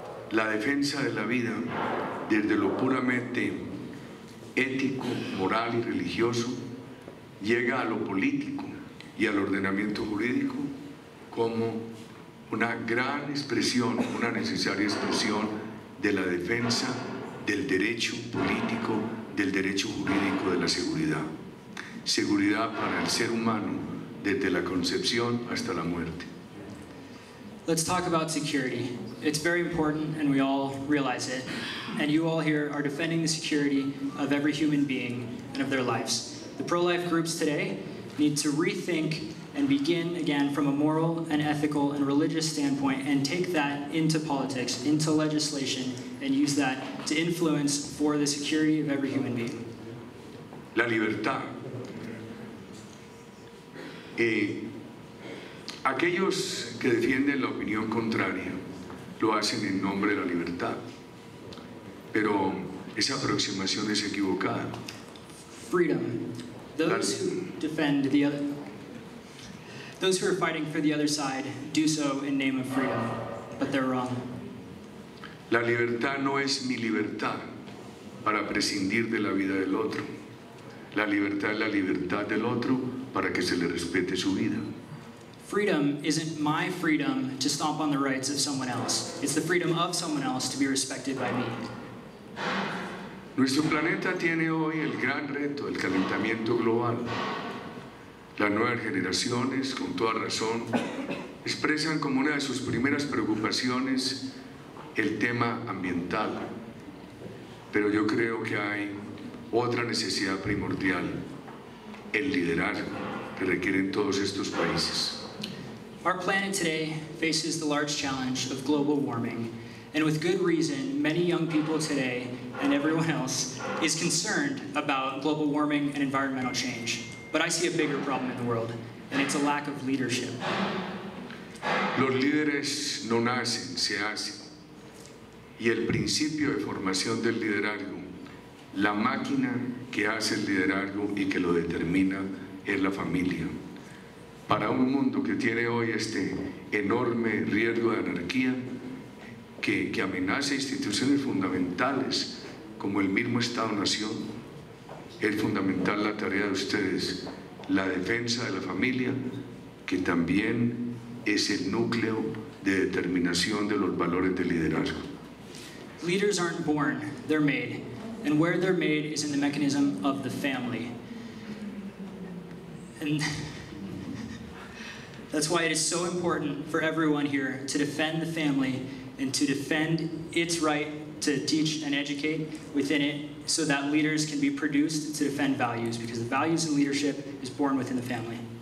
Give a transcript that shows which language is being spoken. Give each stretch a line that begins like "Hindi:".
Spanish: la defensa de la vida desde lo puramente ético, moral y religioso, llega a lo político y al ordenamiento jurídico como una gran expresión, una necesaria expresión de la defensa del derecho político, del derecho jurídico de la seguridad. Seguridad para el ser humano desde la concepción hasta la muerte.
English: Let's talk about security. It's very important and we all realize it. And you all here are defending the security of every human being and of their lives. The pro-life groups today need to rethink and begin again from a moral and ethical and religious standpoint and take that into politics, into legislation, and use that to influence for the security of every human being.
Spanish: La libertad. Aquellos que defienden la opinión contraria lo hacen en nombre de la libertad, pero esa aproximación es equivocada.
English: Freedom. Those who are fighting for the other side do so in name of freedom, but they're wrong.
Spanish: La libertad no es mi libertad para prescindir de la vida del otro. La libertad es la libertad del otro para que se le respete su vida.
English: Freedom isn't my freedom to stomp on the rights of someone else. It's the freedom of someone else to be respected by me.
Spanish: Nuestro planeta tiene hoy el gran reto, el calentamiento global. Las nuevas generaciones, con toda razón, expresan como una de sus primeras preocupaciones el tema ambiental. Pero yo creo que hay otra necesidad primordial, el liderazgo que requieren todos estos países.
English: Our planet today faces the large challenge of global warming. And with good reason, many young people today, and everyone else, is concerned about global warming and environmental change. But I see a bigger problem in the world, and it's a lack of leadership.
Spanish: Los líderes no nacen, se hacen. Y el principio de formación del liderazgo, la máquina que hace el liderazgo y que lo determina, es la familia. Para un mundo que tiene hoy este enorme riesgo de anarquía, que amenaza instituciones fundamentales como el mismo Estado-Nación, es fundamental la tarea de ustedes, la defensa de la familia, que también es el núcleo de determinación de los valores de liderazgo.
English: Leaders aren't born, they're made. And where they're made is in the mechanism of the family. And that's why it is so important for everyone here to defend the family and to defend its right to teach and educate within it so that leaders can be produced to defend values, because the values and leadership is born within the family.